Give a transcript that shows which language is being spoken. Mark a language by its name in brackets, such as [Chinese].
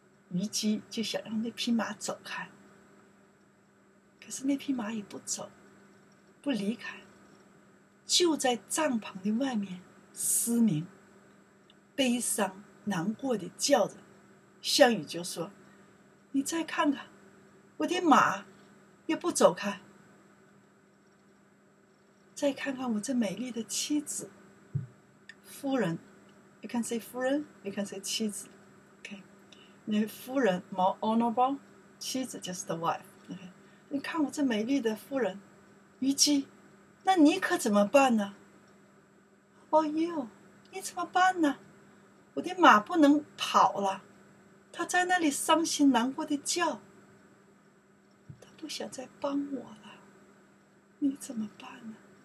[Chinese] 虞姬就想让那匹马走开，可是那匹马也不走，不离开，就在帐篷的外面嘶鸣，悲伤难过的叫着。项羽就说，你再看看，我的马也不走开，再看看我这美丽的妻子夫人. [English] You can say 夫人, you can say 妻子. Okay. [Chinese] 你夫人, [English] more honorable. 妻子 just the wife. Okay. [Chinese] 你看我这美丽的夫人, 虞姬, 那你可怎么办呢? [English] Oh, you, [Chinese] 你怎么办呢?我的马不能跑了, 他在那里伤心难过的叫, 他不想再帮我了, 你怎么办呢?